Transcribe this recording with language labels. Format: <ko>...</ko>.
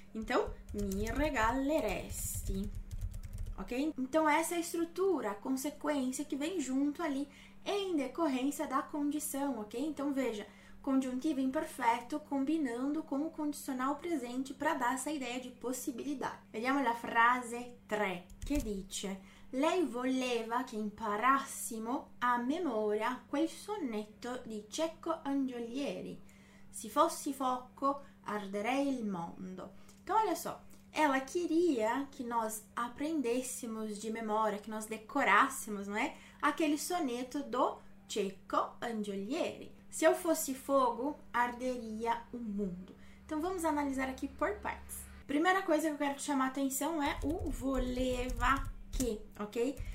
<pt>Então,</pt> <it>mi regaleresti.</it> <pt>Ok? Então, essa é a estrutura, a consequência que vem junto ali em decorrência da condição, ok? Então, veja, condutivo imperfeito combinando com o condicional presente para dar essa ideia de possibilidade.</pt> <it>Vediamo la frase 3, che dice: Lei voleva che imparassimo a memoria quel sonetto di Cecco Angiolieri. Se fossi fuoco, arderei il mondo.</it> <pt>Então, olha só. Ela queria que nós aprendêssemos de memória, que nós decorássemos, não é? Aquele soneto do Cecco Angiolieri. Se eu fosse fogo, arderia o mundo. Então vamos analisar aqui por partes. Primeira coisa que eu quero te chamar a atenção é o voleva che, ok?</pt>